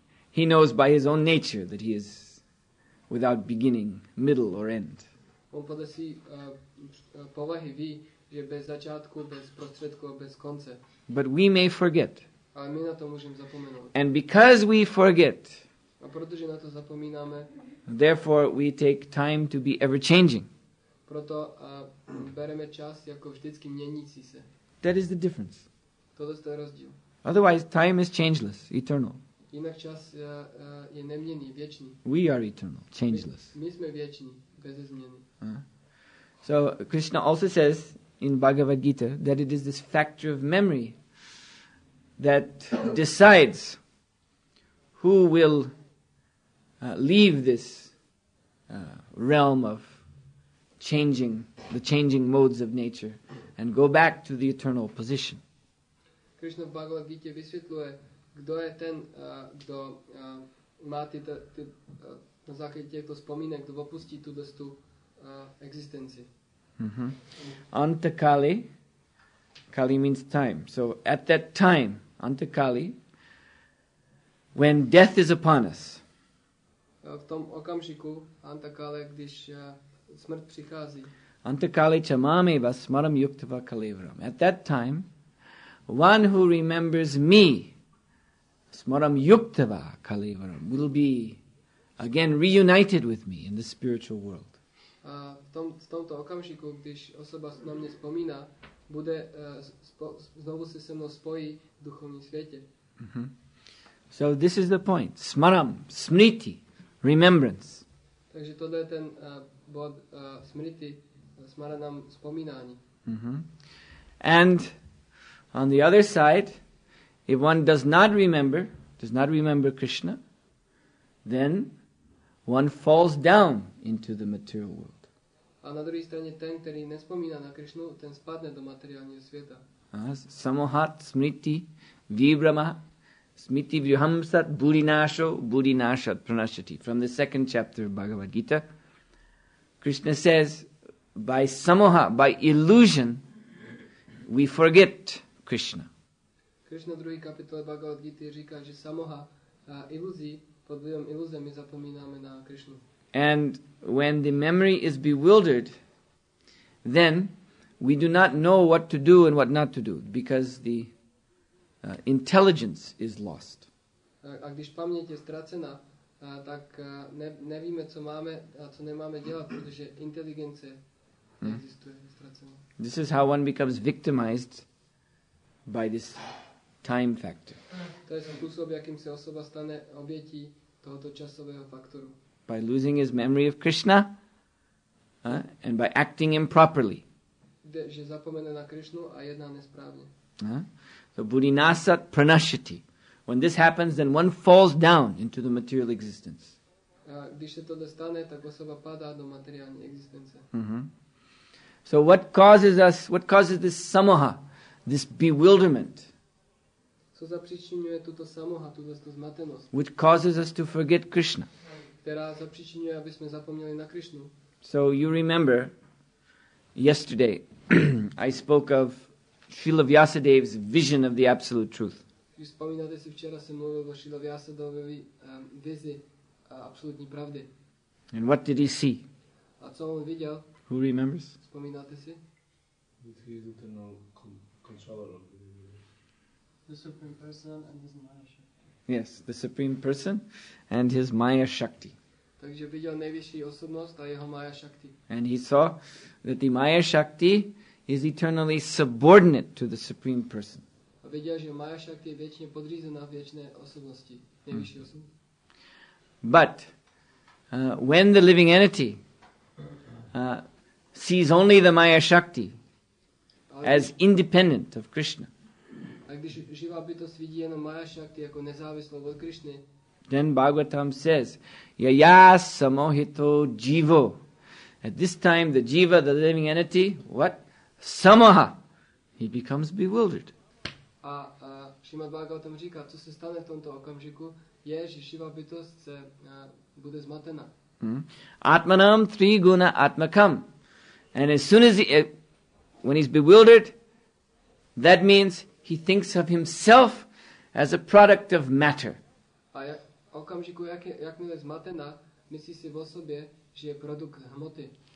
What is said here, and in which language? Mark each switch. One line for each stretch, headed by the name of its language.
English: He knows by his own nature that he is without beginning, middle or end.
Czech: On podle svý povahy ví, že bez začátku, bez prostředku, bez konce.
English: But we may forget.
Czech: Ale my na to můžeme zapomenout.
English: And because we forget,
Czech: a protože na to zapomínáme,
English: therefore we take time to be ever changing.
Czech: Proto bereme čas jako vždycky měnící se.
English: That is the difference.
Czech: Toto je rozdíl.
English: Otherwise, time is changeless, eternal.
Czech: Jinak čas je neměnný, věčný.
English: We are eternal, changeless.
Czech: My jsme věční, bez změny.
English: So Krishna also says in Bhagavad Gita that it is this factor of memory that decides who will leave this realm of changing, the changing modes of nature, and go back to the eternal position.
Czech: Krishna v Bhagavad Gita vysvětluje, kdo je ten, kdo má na základě těchto vzpomínek, kdo opustí tu dostu existenci.
English: Mm-hmm. Antakali, Kali means time. So at that time, Antakali, when death is upon us.
Czech: V tom okamžiku, Antakali, když smrt přichází.
Sanskrit: Antakali cha mame vasmaram yuktava kalevram.
English: At that time, one who remembers me,
Sanskrit: smaram yuktava kalevram,
English: will be again reunited with me in the spiritual world.
Czech: A v tomto okamžiku, když osoba na mě vzpomíná, bude znovu se mnou spojí v duchovním světě.
English: Mm-hmm. So this is the point. Smaram, smriti, remembrance.
Czech: Takže tohle je ten bod smriti, smaranam, vzpomínání. Mm-hmm.
English: And on the other side, if one does not remember Krishna, then one falls down into the material world.
Czech: A na druhé straně ten, který nespomíná na Krišnu, ten spadne do materiálního světa.
Sanskrit: Samohat, smriti, vibrama, smriti vyuhamsat, budinášo, budinášat, pranashati.
English: From the second chapter of Bhagavad Gita, Krishna says, by samoha, by illusion, we forget Krishna.
Czech: Krishna v druhé kapitole Bhagavad Gita říká, že samoha, iluzí, pod vlivem iluze my zapomínáme na Krišnu.
English: And when the memory is bewildered, then we do not know what to do and what not to do, because the intelligence is lost.
Czech: A když paměť je ztracena, tak nevíme, co máme a co nemáme dělat, protože inteligence neexistuje, ztracena.
English: This is how one becomes victimized by this time factor.
Czech: To je způsob, jakým se osoba stane obětí tohoto časového faktoru.
English: By losing his memory of Krishna, and by acting improperly.
Czech: Že zapomene na Krishnu a jedná nesprávně.
Sanskrit: So budinasat pranashati.
English: When this happens, then one falls down into the material existence.
Czech: Když se tohle stane, tak osoba padá do materiální existence.
English: Mm-hmm. So what causes this samoha, this bewilderment?
Czech: Co zapříčinuje tuto samoha, tuto zmatenost?
English: Which causes us to forget Krishna.
Czech: Která zapříčinuje, aby jsme zapomněli na Krišnu.
English: So you remember, yesterday, I spoke of Srila Vyasadeva's vision of the Absolute Truth.
Czech: Když vzpomínáte si, včera jsem mluvil o Srila Vyasadevově vizi absolutní pravdy.
English: And what did he see?
Czech: A co on viděl?
English: Who remembers?
Czech: Vzpomínáte si?
English: That he is eternal controller of the universe. The Supreme Person and His Manager. Yes, the Supreme Person and His Maya Shakti.
Czech: Takže viděl nejvyšší osobnost a jeho Maya Shakti.
English: And he saw that the Maya Shakti is eternally subordinate to the Supreme Person.
Czech: A viděl, že Maya Shakti je věčně podřízená věčné osobnosti, nejvyšší osobnosti.
English: But when the living entity sees only the Maya Shakti as independent of Krishna,
Czech: když živá bytost vidí jenom Maya Shakti jako nezávislou od Krišny.
English: Then Bhagavatam says,
Sanskrit: yaya samohito jivo.
English: At this time, the jiva, the living entity, what? Samoha. He becomes bewildered.
Czech: A Srimad Bhagavatam říká, co se stane v tomto okamžiku, je, že živá bytost se bude zmatena.
Sanskrit: Atmanam tri guna atmakam.
English: And as soon as when he's bewildered, that means he thinks of himself as a product of matter.
Czech: A okamžiku, jakmile je zmatena, myslí si o sobě, že je produkt hmoty.